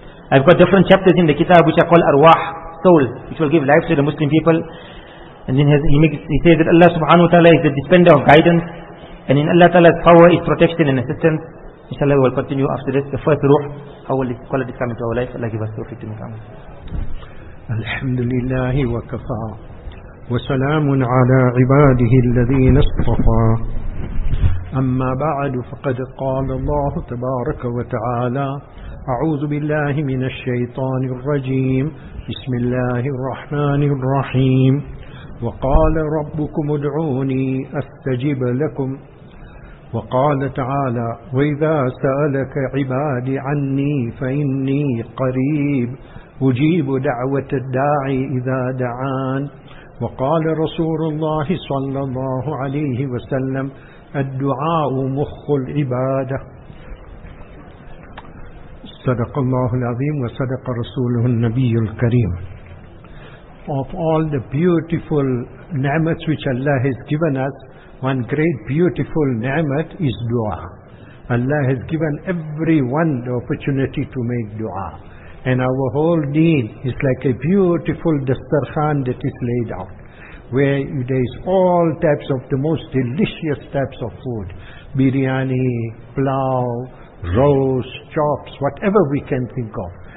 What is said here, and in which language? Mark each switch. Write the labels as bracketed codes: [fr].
[en] I have got different chapters in the kitab which are called Arwah, soul, which will give life to the Muslim people. And then he says that Allah subhanahu wa ta'ala is the dispenser of guidance, and in Allah ta'ala's power is protection and assistance. Inshallah, we will continue after this. The first ruh, how will this quality come into our life? Allah give us the fit to make amal. Alhamdulillah wa kafa. [ar] وسلام على عباده الذين اصطفى أما بعد فقد قال الله تبارك وتعالى أعوذ بالله من الشيطان الرجيم بسم الله الرحمن الرحيم وقال ربكم ادعوني أستجب لكم وقال تعالى وإذا سألك عبادي عني فإني قريب أجيب دعوة الداعي إذا دعان وقال رسول الله صلى الله عليه وسلم الدعاء مخ العبادة صدق الله العظيم وصدق رسوله النبي الكريم. [en] Of all the beautiful ni'mat which Allah has given us, one great beautiful ni'mat is dua. Allah has given everyone the opportunity to make dua, and our whole deen is like a beautiful dastarkhan that is laid out, where there is all types of the most delicious types of food, biryani, pulao, roast, chops, whatever we can think of.